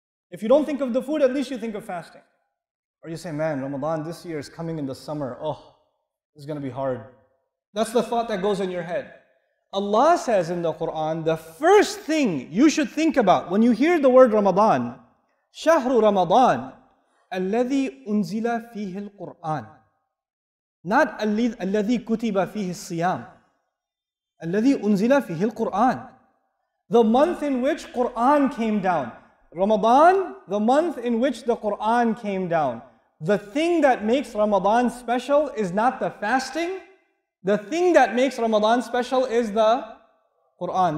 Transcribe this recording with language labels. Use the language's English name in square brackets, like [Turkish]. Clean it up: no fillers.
[English] If you don't think of the food, at least you think of fasting. Or you say, man, Ramadan this year is coming in the summer. Oh, it's going to be hard. That's the thought that goes in your head. Allah says in the Quran, the first thing you should think about when you hear the word Ramadan, [Arabic] شَهْرُ Ramadan, الَّذِي أُنزِلَ فِيهِ الْقُرْآنِ. [English] Not [Arabic] الَّذِي كُتِبَ فِيهِ الصِّيَامِ. الَّذِي أُنزِلَ فِيهِ الْقُرْآنِ. [English] The month in which Quran came down. Ramadan, the month in which the Qur'an came down. The thing that makes Ramadan special is not the fasting. The thing that makes Ramadan special is the Qur'an.